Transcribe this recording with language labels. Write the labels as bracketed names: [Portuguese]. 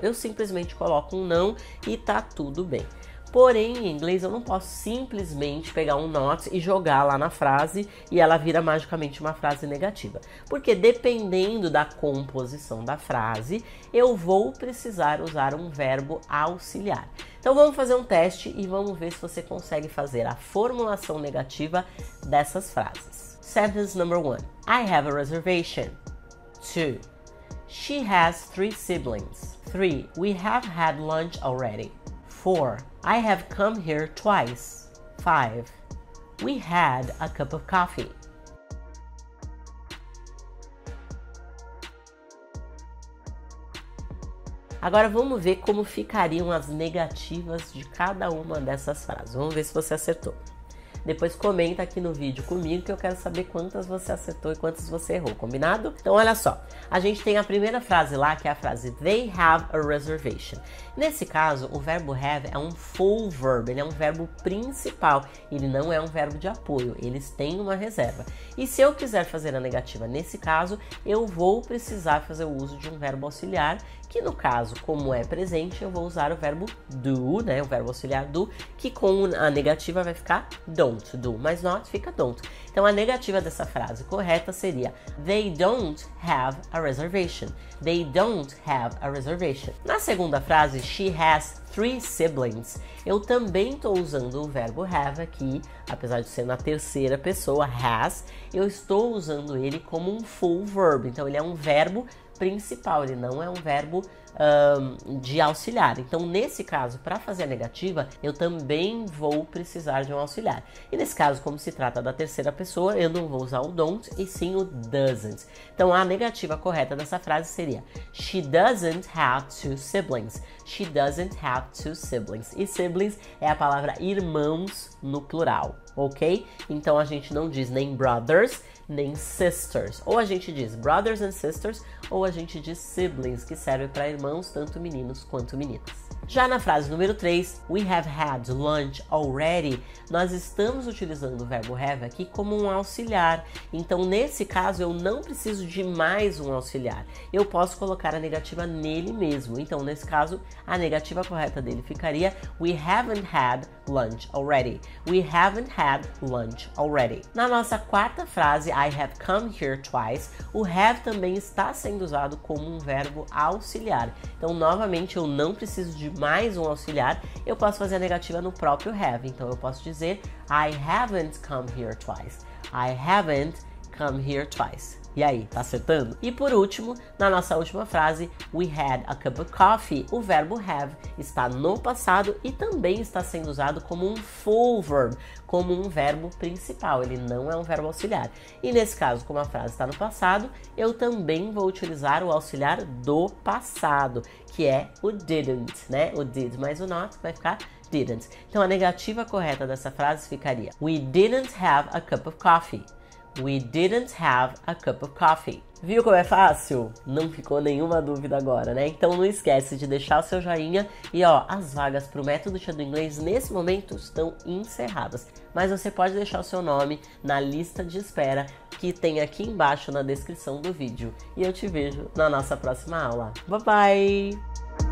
[Portuguese] Eu simplesmente coloco um não e tá tudo bem. Porém, em inglês, eu não posso simplesmente pegar um not e jogar lá na frase e ela vira magicamente uma frase negativa. Porque dependendo da composição da frase, eu vou precisar usar um verbo auxiliar. Então vamos fazer um teste e vamos ver se você consegue fazer a formulação negativa dessas frases. [English] Sentence number one: I have a reservation. Two: She has 3 siblings. Three: We have had lunch already. Four: I have come here twice. Five: We had a cup of coffee. [Portuguese] Agora vamos ver como ficariam as negativas de cada uma dessas frases. Vamos ver se você acertou. Depois comenta aqui no vídeo comigo que eu quero saber quantas você acertou e quantas você errou, combinado? Então olha só, a gente tem a primeira frase lá, que é a frase [English] They have a reservation. [Portuguese] Nesse caso, o verbo have é um full verb, ele é um verbo principal, ele não é um verbo de apoio, eles têm uma reserva. E se eu quiser fazer a negativa nesse caso, eu vou precisar fazer o uso de um verbo auxiliar, que no caso, como é presente, eu vou usar o verbo do, né? O verbo auxiliar do, que com a negativa vai ficar don't, do, mas not fica don't. Então a negativa dessa frase correta seria [English] They don't have a reservation. They don't have a reservation. [Portuguese] Na segunda frase, [English] She has 3 siblings. [Portuguese] Eu também estou usando o verbo have aqui, apesar de ser na terceira pessoa, has, eu estou usando ele como um full verb. Então ele é um verbo principal, ele não é um verbo de auxiliar. Então, nesse caso, para fazer a negativa, eu também vou precisar de um auxiliar. E nesse caso, como se trata da terceira pessoa, eu não vou usar o don't e sim o doesn't. Então, a negativa correta dessa frase seria: [English] She doesn't have 2 siblings. She doesn't have 2 siblings. [Portuguese] E siblings é a palavra irmãos no plural. Ok? Então a gente não diz nem brothers, nem sisters. Ou a gente diz brothers and sisters, ou a gente diz siblings, que serve para irmãos, tanto meninos quanto meninas. Já na frase número 3, [English] we have had lunch already, [Portuguese] nós estamos utilizando o verbo have aqui como um auxiliar. Então, nesse caso, eu não preciso de mais um auxiliar. Eu posso colocar a negativa nele mesmo. Então, nesse caso, a negativa correta dele ficaria [English] we haven't had lunch already. We haven't had lunch already. [Portuguese] Na nossa quarta frase, [English] I have come here twice, [Portuguese] o have também está sendo usado como um verbo auxiliar. Então, novamente, eu não preciso de mais um auxiliar, eu posso fazer a negativa no próprio have. Então eu posso dizer [English] I haven't come here twice. I haven't come here twice. [Portuguese] E aí, tá acertando? E por último, na nossa última frase, [English] we had a cup of coffee, [Portuguese] o verbo have está no passado e também está sendo usado como um full verb, como um verbo principal, ele não é um verbo auxiliar. E nesse caso, como a frase está no passado, eu também vou utilizar o auxiliar do passado, que é o didn't, né? O did mais o not vai ficar didn't. Então a negativa correta dessa frase ficaria, [English] we didn't have a cup of coffee. We didn't have a cup of coffee. [Portuguese] Viu como é fácil? Não ficou nenhuma dúvida agora, né? Então não esquece de deixar o seu joinha e ó, as vagas pro Método Tia do Inglês nesse momento estão encerradas. Mas você pode deixar o seu nome na lista de espera que tem aqui embaixo na descrição do vídeo. E eu te vejo na nossa próxima aula. [English] Bye bye!